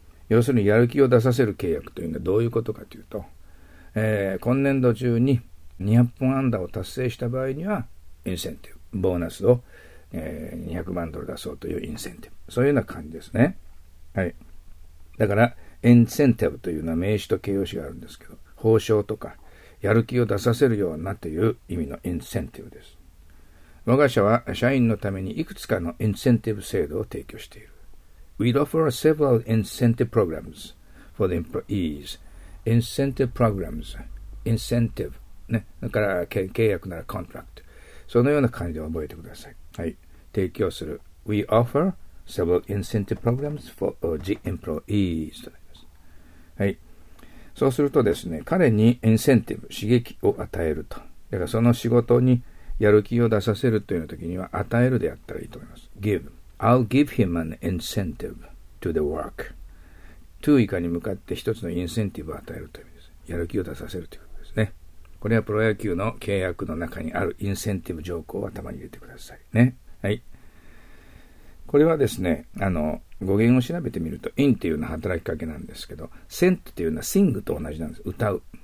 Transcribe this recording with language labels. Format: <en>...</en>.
<ja>要するにやる気を出させる契約というのはどういうことかというと、今年度中に200本安打を達成した場合にはインセンティブボーナスを、200万ドル出そうというインセンティブ、そういうような感じですね。はい。だからインセンティブというのは名詞と形容詞があるんですけど、報奨とかやる気を出させるようなという意味のインセンティブです。我が社は社員のためにいくつかのインセンティブ制度を提供している。</ja> <en>We offer several incentive programs for the employees. Incentive programs.</en> <ja>Incentive、ね、だから契約なら contract、 そのような感じで覚えてください。はい。提供する。</ja> <en>We offer several incentive programs for the employees</en> <ja>となります。はい。そうするとですね、彼にインセンティブ、刺激を与えると。だからその仕事にやる気を出させるというときには、与えるでやったらいいと思います。</ja> <en>give。 I'll give him an incentive to the work。</en> <ja>to 以下に向かって一つのインセンティブを与えるという意味です。やる気を出させるということですね。これはプロ野球の契約の中にあるインセンティブ条項を頭に入れてくださいね。はい。これはですね、語源を調べてみると、in っていうのは働きかけなんですけど、sent っていうのは sing と同じなんです。歌う。</ja>